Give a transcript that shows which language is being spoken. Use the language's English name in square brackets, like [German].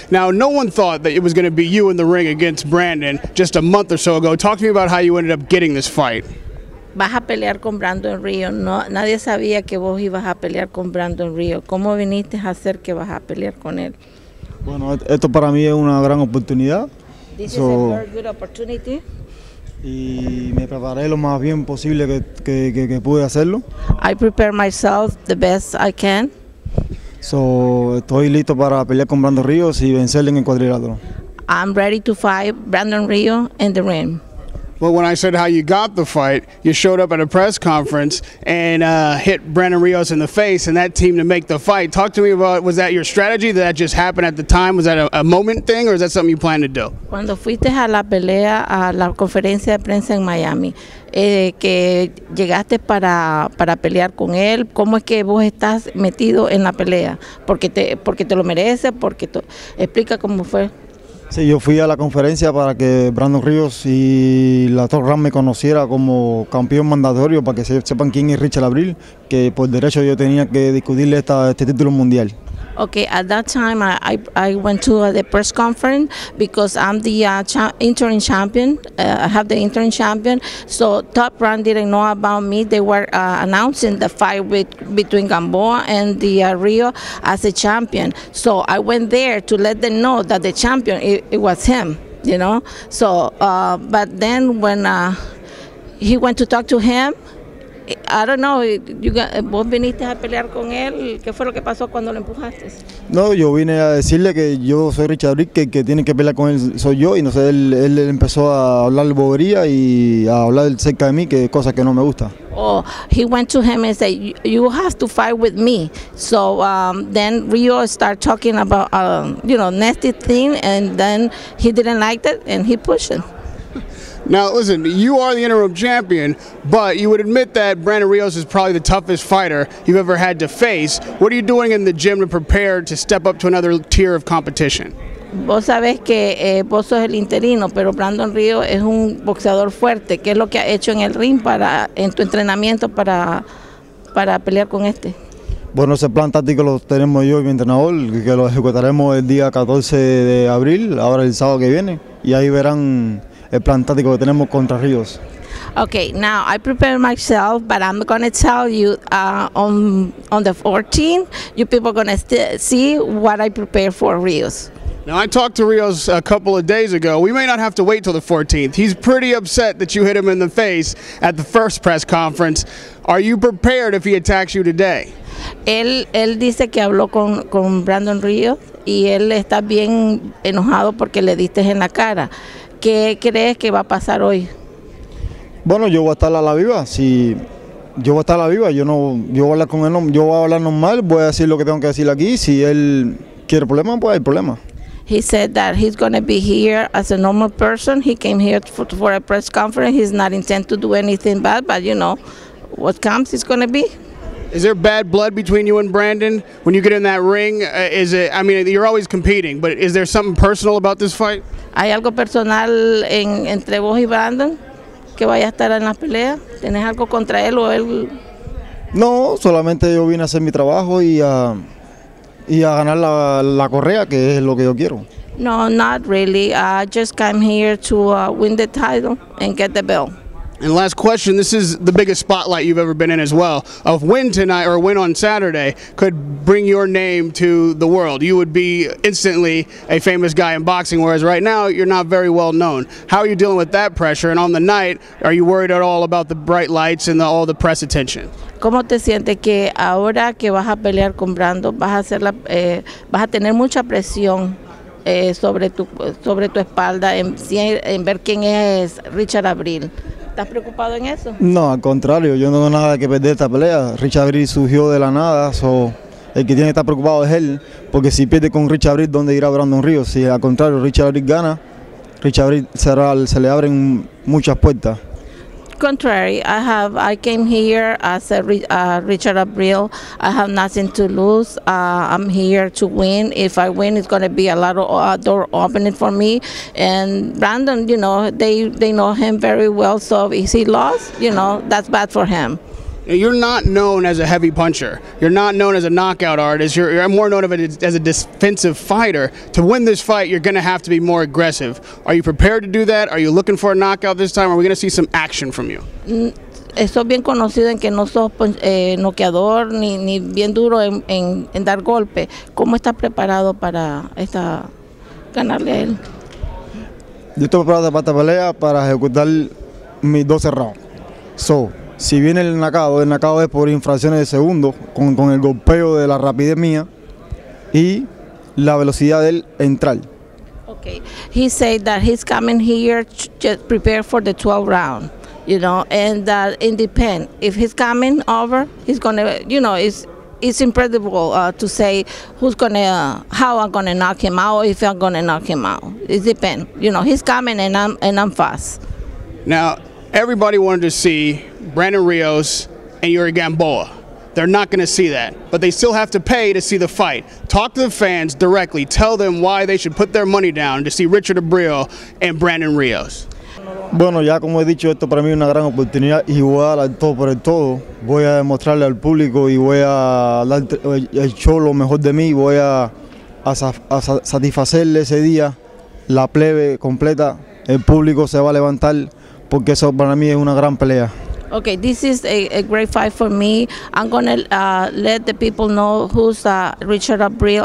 [English] Now, no one thought that it was going to be you in the ring against Brandon just a month or so ago. Talk to me about how you ended up getting this fight. [Spanish] Vas a pelear con Brandon Rios. No, nadie sabía que vos ibas a pelear con Brandon Rios. ¿Cómo viniste a hacer que vas a pelear con él? Bueno, esto para mí es una gran oportunidad. [English] This is a very good opportunity. [Spanish] Y me preparé lo más bien posible que pude hacerlo. [English] I prepare myself the best I can. [Spanish] So, estoy listo para pelear con Brandon Rios y vencerle en el cuadrilátero. [English] I'm ready to fight Brandon Rios in the ring. Well, when I said how you got the fight, you showed up at a press conference and hit Brandon Rios in the face and that team to make the fight. Talk to me about, was that your strategy? Did that just happen at the time? Was that a moment thing or is that something you planned to do? [Spanish] Cuando fuiste a la pelea, a la conferencia de prensa en Miami, que llegaste para pelear con él, ¿cómo es que vos estás metido en la pelea? Porque te lo mereces, porque te explica cómo fue. Sí, yo fui a la conferencia para que Brandon Rios y la Torre me conociera como campeón mandatorio para que sepan quién es Richard Abril, que por derecho yo tenía que discutirle este título mundial. [English] Okay, at that time I went to the press conference because I'm the interim champion. I have the interim champion. So Top Rank didn't know about me. They were announcing the fight between Gamboa and the Rio as a champion. So I went there to let them know that the champion it was him. You know. So but then when he went to talk to him. I don't know. [Spanish] ¿Vos viniste a pelear con él? ¿Qué fue lo que pasó cuando lo empujaste? No, yo vine a decirle que yo soy Richard Rick, que tiene que pelear con él soy yo. Y no sé, él empezó a hablar bobería y a hablar cerca de mí, que es cosa que no me gusta. [English] Oh, he went to him and said, you have to fight with me. So then Rio started talking about, you know, nasty thing, and then he didn't like that and he pushed it. Now, listen, you are the interim champion, but you would admit that Brandon Rios is probably the toughest fighter you've ever had to face. What are you doing in the gym to prepare to step up to another tier of competition? [Spanish] Vos sabés que vos sos el interino, pero Brandon Rios es un boxeador fuerte. ¿Qué es lo que ha hecho en el ring para en tu entrenamiento para pelear con este? Bueno, ese plan táctico lo tenemos yo y mi entrenador, que lo ejecutaremos el día 14 de abril, ahora el sábado que viene, y ahí verán el plan táctico que tenemos contra Rios. [English] Okay, now I prepared myself, but I'm going to tell you on the 14th, you people going to see what I prepared for Rios. Now, I talked to Rios a couple of days ago. We may not have to wait till the 14th. He's pretty upset that you hit him in the face at the first press conference. Are you prepared if he attacks you today? [Spanish] Él dice que habló con Brandon Rios y él está bien enojado porque le diste en la cara. ¿Qué crees que va a pasar hoy? Bueno, yo voy a estar a la viva. Si yo voy a estar a la viva, yo voy a hablar con él, yo voy a hablar normal, voy a decir lo que tengo que decir aquí. Si él quiere problema, pues hay problema. [English] He said that he's going to be here as a normal person. He came here for a press conference. He's not intent to do anything bad, but you know, what comes is going to be. Is there bad blood between you and Brandon when you get in that ring? Is it? I mean, you're always competing, but is there something personal about this fight? [Spanish] ¿Hay algo personal entre vos y Brandon que vaya a estar en las peleas? ¿Tenés algo contra él o él? No, solamente yo vine a hacer mi trabajo y a ganar la correa, que es lo que yo quiero. [English] No, not really. I just came here to win the title and get the belt. And last question, this is the biggest spotlight you've ever been in as well. A win tonight, or a win on Saturday, could bring your name to the world. You would be instantly a famous guy in boxing, whereas right now, you're not very well known. How are you dealing with that pressure? And on the night, are you worried at all about the bright lights and all the press attention? [Spanish] ¿Cómo te sientes que ahora que vas a pelear con Brandon, vas a tener mucha presión sobre tu espalda en ver quién es Richard Abril? ¿Estás preocupado en eso? No, al contrario, yo no tengo nada que perder esta pelea. Richard Abril surgió de la nada, so el que tiene que estar preocupado es él, porque si pierde con Richard Abril, ¿dónde irá Brandon Rios? Si al contrario, Richard Abril gana, Richard Abril se le abren muchas puertas. [English] Contrary, I came here as a Richard Abril. I have nothing to lose. I'm here to win. If I win, it's going to be a lot of door opening for me. And Brandon, you know, they know him very well. So if he lost, you know, that's bad for him. You're not known as a heavy puncher. You're not known as a knockout artist. You're more known of it as a defensive fighter. To win this fight, you're going to have to be more aggressive. Are you prepared to do that? Are you looking for a knockout this time? Are we going to see some action from you? [Spanish] Estoy bien conocido en que no sos noqueador ni bien duro en dar golpe. ¿Cómo estás preparado para esta ganarle a él? Yo estoy preparado para esta pelea para ejecutar mis 12 rounds. So, si viene el nocaut es por infracciones de segundo, con el golpeo de la rapidez mía y la velocidad del entrar. [English] Okay, he said that he's coming here just prepared for the 12 round, you know, and that it depends. If he's coming over, he's gonna, you know, it's incredible to say who's gonna, how I'm gonna knock him out, if I'm gonna knock him out. It depends, you know, he's coming and I'm fast. Now, everybody wanted to see Brandon Rios and Yuri Gamboa. They're not going to see that, but they still have to pay to see the fight. Talk to the fans directly. Tell them why they should put their money down to see Richard Abril and Brandon Rios. [Spanish] Bueno, ya como he dicho, esto para mí es una gran oportunidad y voy a dar todo por el todo. Voy a demostrarle al público y voy a dar el show lo mejor de mí. Voy a satisfacerle ese día la plebe completa. El público se va a levantar porque eso para mí es una gran pelea. [English] Okay, this is a great fight for me. I'm gonna let the people know who's Richard Abril.